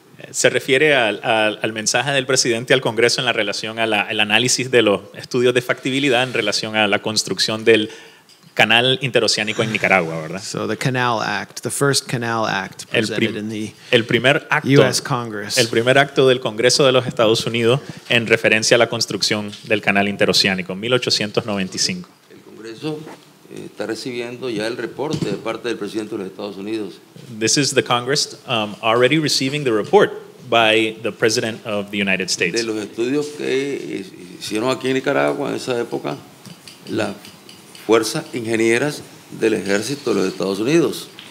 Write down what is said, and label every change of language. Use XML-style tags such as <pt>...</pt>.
<es>Se refiere al mensaje del presidente al Congreso en la relación al análisis de los estudios de factibilidad en relación a la construcción del canal interoceánico en Nicaragua, ¿verdad?</es> <en>So the Canal Act, the first Canal Act presented in the U.S. Congress.</en> <es>El primer acto del Congreso de los Estados Unidos en referencia a la construcción del canal interoceánico, 1895. El Congreso está recibiendo ya el reporte de parte del presidente de los Estados Unidos.</es> <en>This is the Congress already receiving the report by the President of the United States.</en> <es>De los estudios que hicieron aquí en Nicaragua en esa época, la fuerzas ingenieras del ejército de los Estados Unidos.</es>